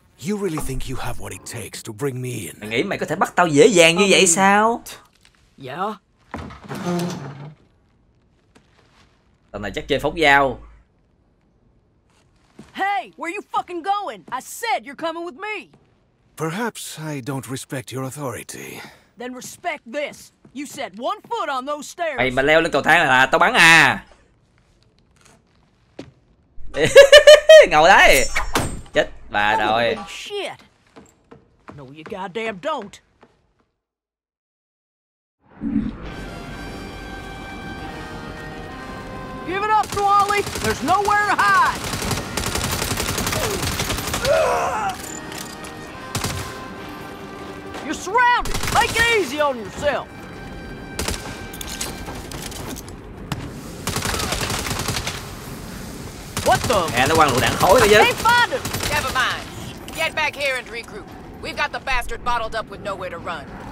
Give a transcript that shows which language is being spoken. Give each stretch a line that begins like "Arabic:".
English: You really think you have what it takes to bring me in?
Vietnamese: Mày nghĩ mày có thể bắt tao dễ dàng như vậy sao?
English: Yeah.
Vietnamese: Tao này chắc chơi phóng dao.
English: Hey, where are you fucking going? I said you're coming with me. Perhaps I don't respect your authority. Then respect this. You said one foot on those stairs.
Vietnamese: Mày mà leo lên cầu thang là tao bắn à. Ngồi đấy. Chết bà rồi.
English: Shit. No you goddamn don't. Give it up, Wally. There's nowhere to hide. You're surrounded. Take it easy on yourself. What the?
Vietnamese: Nè, nó quăng lựu đạn khói ra chứ.
English: Can't find him. Never mind. Get back here and regroup. We've got the bastard bottled up with nowhere to run.